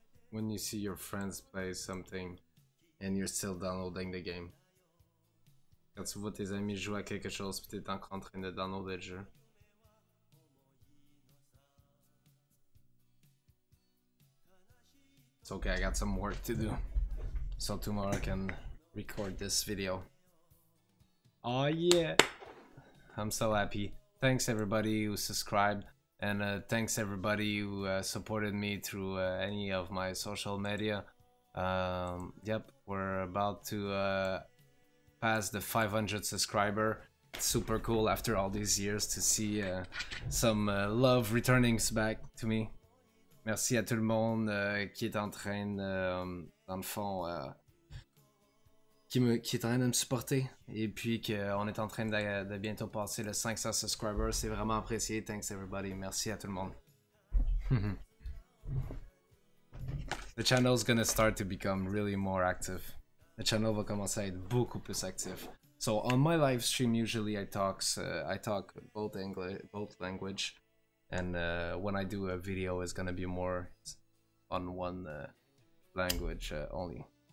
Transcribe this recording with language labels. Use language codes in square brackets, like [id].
[en] When you see your friends play something and you're still downloading the game. [fr] Quand tu vois tes amis jouer à quelque chose pis t'es encore en train de downloader le jeu. [en] It's okay, I got some work to do. So tomorrow I can record this video. Oh yeah! I'm so happy. Thanks everybody who subscribed. And thanks everybody who supported me through any of my social media. Yep, we're about to pass the 500 subscriber. Super cool after all these years to see some love returning back to me. [fr] Merci à tout le monde qui est en train dans le fond qui est en train de me supporter et puis qu'on est en train de bientôt passer le 500 subscribers, c'est vraiment apprécié. [en] Thanks everybody, [fr] merci à tout le monde. [en] The channel is gonna start to become really more active. The channel [fr] va commencer à être beaucoup plus actif. [en] So on my live stream usually I talk both English, both language, and when I do a video it's gonna be more on one language only.